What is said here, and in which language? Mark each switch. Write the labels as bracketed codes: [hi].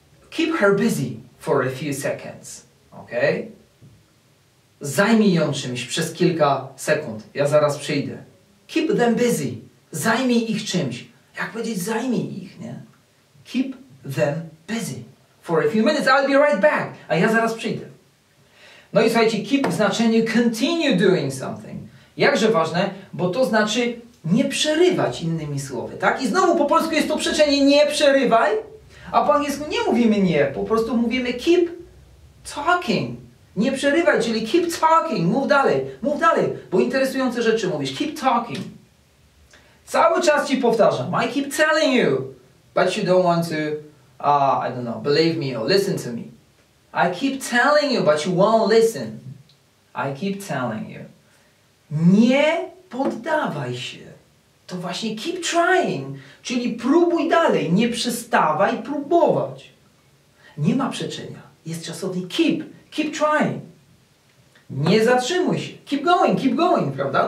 [en] Keep her busy for a few seconds. Ok? [pl] Zajmij ją czymś przez kilka sekund. Ja zaraz przyjdę. [en] Keep them busy. [pl] Zajmij ich czymś. Jak powiedzieć zajmij ich, nie? [en] Keep them busy. For a few minutes, I'll be right back. [pl] A ja zaraz przyjdę. No i słuchajcie, keep w znaczeniu [en] continue doing something. [pl] Jakże ważne, bo to znaczy nie przerywać, innymi słowy, tak? I znowu po polsku jest to przeczenie nie przerywaj, a po angielsku nie mówimy nie, po prostu mówimy [en] keep talking. [pl] Nie przerywaj, czyli [en] keep talking, [pl] mów dalej, bo interesujące rzeczy mówisz, keep talking. Cały czas ci powtarzam, [en] I keep telling you, but you don't want to, I don't know, believe me or listen to me. I keep telling you, but you won't listen. I keep telling you. [pl] Nie poddawaj się. To właśnie [en] keep trying, [pl] czyli próbuj dalej, nie przestawaj próbować. Nie ma przeczenia, jest czasownik keep. [en] Keep trying. [pl] Nie zatrzymuj się. [en] Keep going, [pl] prawda?